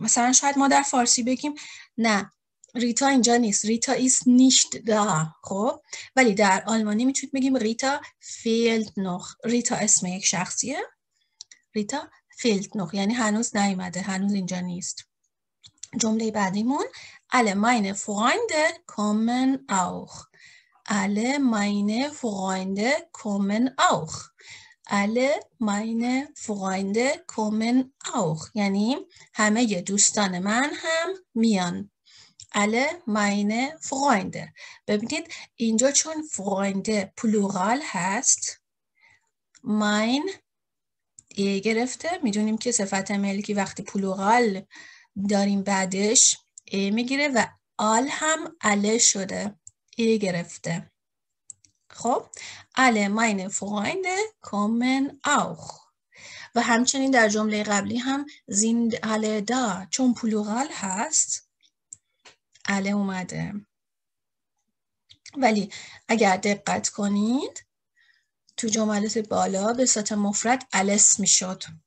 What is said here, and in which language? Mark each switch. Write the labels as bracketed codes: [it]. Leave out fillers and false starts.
[fa] مثلا شاید ما در فارسی بگیم نه ریتا اینجا نیست، [de] ریتا ایست نیشت دا. [fa] خب ولی در آلمانی میتونید بگیم [de] ریتا فیلت نوخ. [fa] ریتا اسم یک شخصیه، [de] ریتا فیلت نوخ [fa] یعنی هنوز نیومده، هنوز اینجا نیست. جمله بعدیمون [de] alle meine Freunde kommen auch. alle meine Freunde kommen auch. alle meine Freunde kommen auch [fa] یعنی همه دوستان من هم میان. [de] alle meine Freunde. [fa] ببینید اینجا چون Freunde پلورال هست، mein ایه گرفته. میدونیم که صفت ملکی وقتی پلورال داریم بعدش ایه میگیره و آل هم alle شده، ایه گرفته. [de] خب alle meine Freunde kommen auch. [fa] و همچنین در جمله قبلی هم [de] sind alle da [fa] چون پلورال هست alle اومده. ولی اگر دقت کنید تو جملات بالا به صورت مفرد الس می شد.